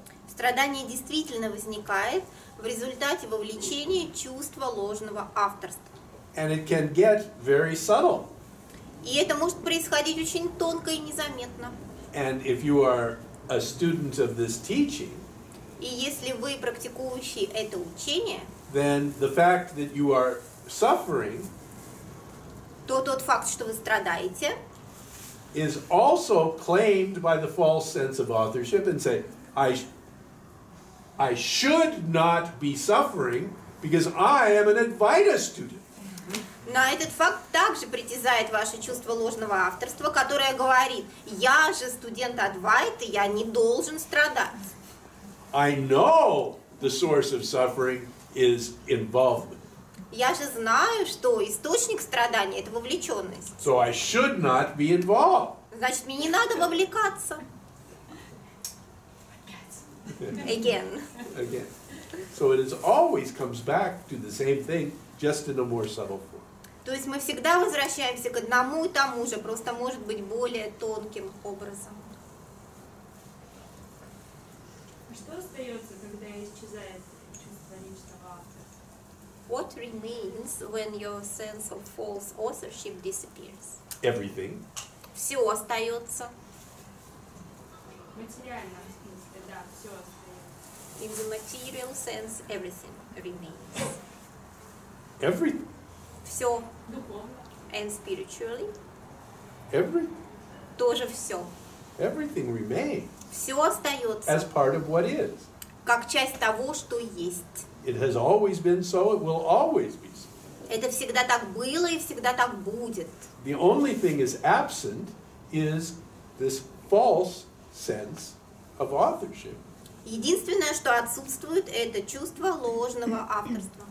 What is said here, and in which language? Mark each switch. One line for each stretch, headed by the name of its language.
Russian: Страдание действительно возникает в результате вовлечения чувства ложного авторства.
English: And it can get very subtle.
Russian: И это может происходить очень тонко и незаметно.
English: And if you are a student of this teaching,
Russian: и если вы практикующий это учение,
English: then the fact that you are suffering
Russian: то тот факт, что вы страдаете,
English: is also claimed by the false sense of authorship and say, I should not be suffering because I am an Advaita student.
Russian: На этот факт также притязает ваше чувство ложного авторства, которое говорит, я же студент Адвайты, я не должен страдать.
English: I know the source of suffering is involvement.
Russian: Я же знаю, что источник страдания — это вовлеченность.
English: So I should not be involved.
Russian: Значит, мне не надо вовлекаться.
English: Again. Again. So it is always comes back to the same thing, just in a more subtle form.
Russian: То есть мы всегда возвращаемся к одному и тому же, просто может быть более тонким образом.
English: What remains when your sense of false authorship disappears? Everything.
Russian: Все остается. Материально, в смысле, да, все остается.
English: In the material sense, everything remains. Everything.
Russian: Все. Духовно.
English: And spiritually. Everything.
Russian: Тоже все.
English: Everything remains.
Russian: Все остается.
English: As part of what is.
Russian: Как часть того, что есть.
English: It has always been so, it will always be so.
Russian: Это всегда так было и всегда так будет.
English: The only thing is absent is this false sense of authorship.
Russian: Единственное, что отсутствует, это чувство ложного авторства.